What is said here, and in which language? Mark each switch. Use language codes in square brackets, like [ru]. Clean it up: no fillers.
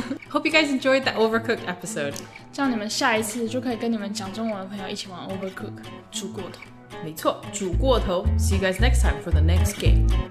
[en] Hope you guys enjoyed that Overcooked episode。 [zh] 这样你们下一次就可以跟你们讲中文的朋友一起玩 Overcooked， 煮过头。没错，煮过头。 [en] See you guys next time for the next game。